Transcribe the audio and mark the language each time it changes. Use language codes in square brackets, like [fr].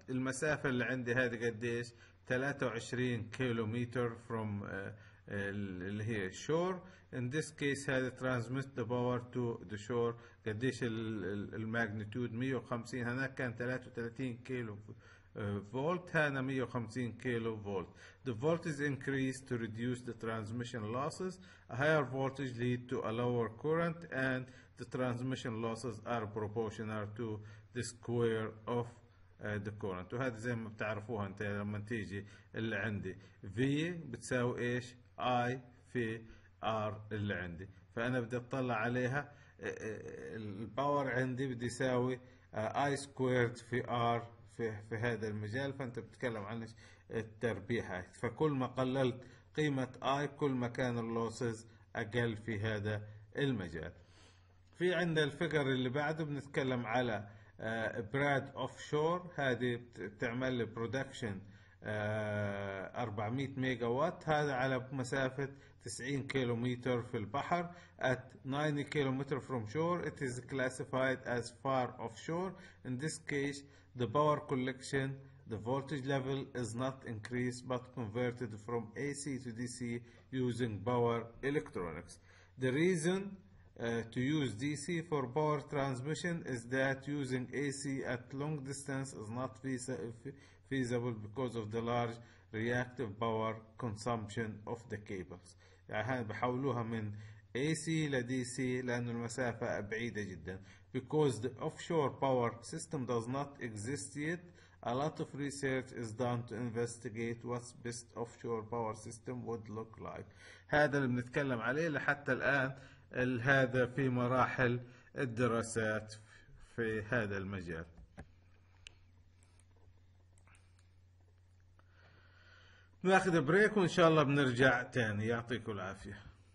[ar] المسافة اللي عندي هذه قديش؟ 23 كيلومتر from اللي هي shore. [en] In this case [ar] هذا [en] transmit the power to the shore. [ar] قديش الماجنتود؟ 150. هناك كان 33 كيلو فولت هنا 150 كيلو فولت. [en] The voltage increased to reduce the transmission losses. A higher voltage lead to a lower current and the transmission losses are proportional to the square of the current. [ar] وهذا زي ما بتعرفوها انت لما تيجي اللي عندي V بتساوي ايش I في R اللي عندي. فأنا بدي اطلع عليها الباور عندي بدي يساوي I squared في R في هذا المجال. فأنت بتتكلم عن التربيع. فكل ما قللت قيمة I كل ما كان اللوسز أقل في هذا المجال. في عند الفقر اللي بعده بنتكلم على براد أوف شور. هذه بتعمل برودكشن 400 ميجا وات. هذا على مسافة 90 كيلومتر في البحر. [en] At 90 kilometre from shore, it is classified as far offshore. In this case, the power collection, the voltage level is not increased but converted from AC to DC using power electronics. The reason to use DC for power transmission is that using AC at long distance is not feasible because of the large reactive power consumption of the cables. [ar] يعني بحولوها من AC ل DC لأن المسافة بعيدة جدا. [en] Because the offshore power system does not exist yet, a lot of research is done to investigate what's best offshore power system would look like. [ar] هذا اللي بنتكلم عليه لحتى الآن. هذا في مراحل الدراسات في هذا المجال. ناخذ بريك وان شاء الله بنرجع تاني. يعطيكم العافيه.